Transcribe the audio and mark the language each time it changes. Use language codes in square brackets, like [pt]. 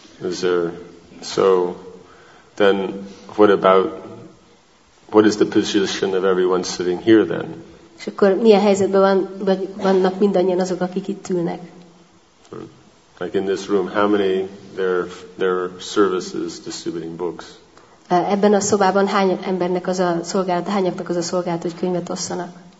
[en] Is there, so then what about, what is the position of everyone sitting here then? [hu] És akkor milyen helyzetben van, vagy vannak mindannyian azok, akik itt ülnek? [en] Like in this room, how many their services distributing books? [hu] Ebben a szobában hány embernek az a szolgálat, hányaknak az a szolgálat, hogy könyvet osszanak?